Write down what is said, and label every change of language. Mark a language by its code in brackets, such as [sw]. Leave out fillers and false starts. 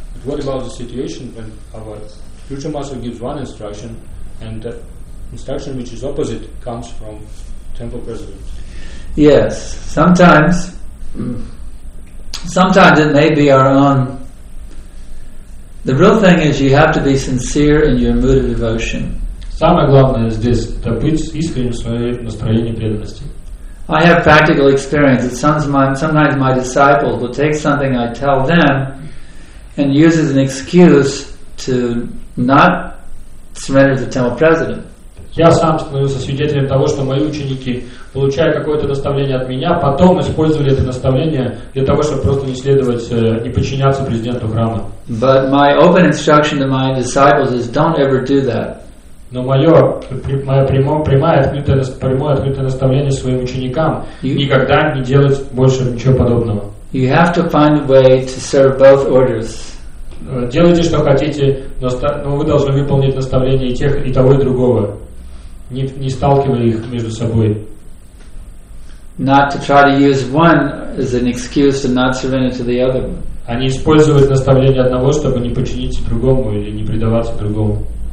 [en] But what about the situation when our spiritual master gives one instruction and that instruction which is opposite comes from temple president? Yes, sometimes it may be our own. The real thing is you have to be sincere in your mood of devotion. [ru] Самое главное здесь это быть искренним в своем настроении преданности. [en] I have practical experience that sometimes my disciples will take something I tell them and use as an excuse to not surrender to the temple president. [ru] Я сам становился свидетелем того, что мои ученики, получая какое-то наставление от меня, потом использовали это наставление для того, чтобы просто не следовать, не подчиняться президенту храма. [en] But my open instruction to my disciples is don't ever do that. [ru] Но прямое открытое наставление своим ученикам никогда не делать больше ничего подобного. [en] You have to find a way to serve both orders. [ru] Делайте, что хотите, но вы должны выполнить наставление и тех, и того, и другого. Не сталкивая их между собой. [en] Not to try to use one as an excuse to not surrender to the other. [ru] А не использовать наставление одного, чтобы не подчиниться другому или не предаваться другому.